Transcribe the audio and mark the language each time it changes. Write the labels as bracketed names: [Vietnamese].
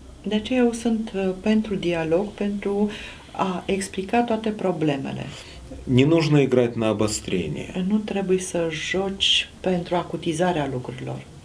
[Romanian] Deci eu sunt pentru dialog, pentru a explica toate problemele. [Russian] Не нужно играть на обострение. [Romanian] Nu trebuie să joci pentru acutizarea lucrurilor.